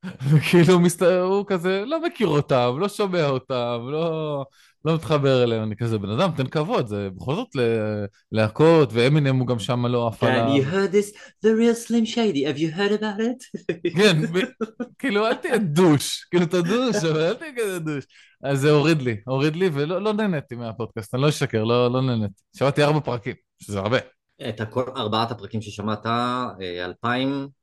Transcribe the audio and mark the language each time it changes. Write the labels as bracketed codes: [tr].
[he] וכאילו מסתער, הוא כזה לא מכיר אותם, לא שומע אותם, לא מתחבר אליהם, אני כזה בן אדם, תן כבוד, זה בכל זאת להקות, ואמינם הוא גם שם לא אף עליו. [en] Can you heard this? The real Slim Shady, have you heard about it? [he] כן, כאילו אל תהיה דוש, כאילו אתה דוש, אבל אל תהיה כזה דוש. אז זה הוריד לי, הוריד לי, ולא נהניתי מהפודקאסט, אני לא אשקר, לא נהניתי. שמעתי ארבע פרקים, שזה הרבה. את הכל, ארבעת הפרקים ששמעת, 2000?